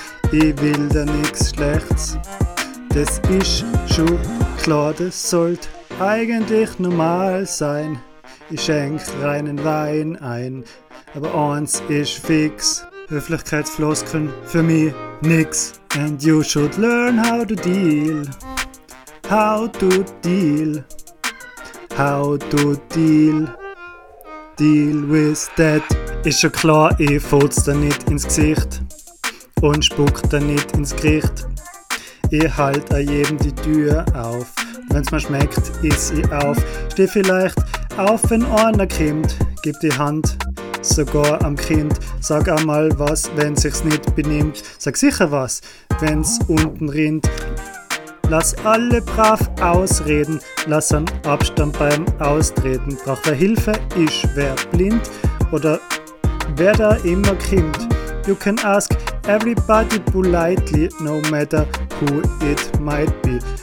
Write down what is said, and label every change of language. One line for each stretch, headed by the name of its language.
German: Ich will da nichts Schlechtes, das ist schon klar, das sollte eigentlich normal sein. Ich schenk reinen Wein ein, aber eins ist fix, Höflichkeitsfloskeln für mich nix.
English: And you should learn how to deal, how to deal. How to deal, deal with that.
German: Ist schon klar, ich fotz da nicht ins Gesicht und spuck da nicht ins Gericht. Ich halt a jedem die Tür auf, wenn's mir schmeckt, iss ich auf. Steh vielleicht auf, wenn einer kommt, gib die Hand sogar am Kind. Sag einmal was, wenn sich's nicht benimmt. Sag sicher was, wenn's unten rinnt. Lass alle brav ausreden, lass einen Abstand beim Austreten. Braucht er Hilfe, ist wer blind oder wer da immer kommt.
English: You can ask everybody politely, no matter who it might be.